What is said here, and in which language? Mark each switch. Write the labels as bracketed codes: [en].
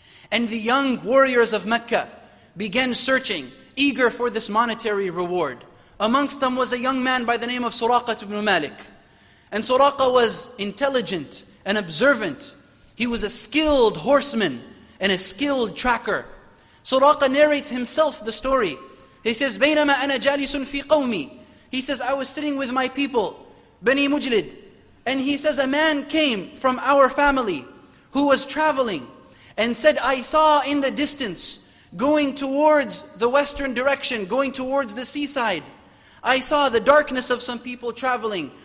[en] And the young warriors of Mecca began searching, eager for this monetary reward. Amongst them was a young man by the name of Suraqah ibn Malik. And Suraqah was intelligent and observant. He was a skilled horseman and a skilled tracker. Suraqah narrates himself the story. He says, [ar] بَيْنَمَا أَنَا جَالِسٌ فِي قَوْمِي. [en] He says, I was sitting with my people, Bani Mujlid. And he says, a man came from our family who was traveling and said, I saw in the distance, going towards the western direction, going towards the seaside, I saw the darkness of some people traveling.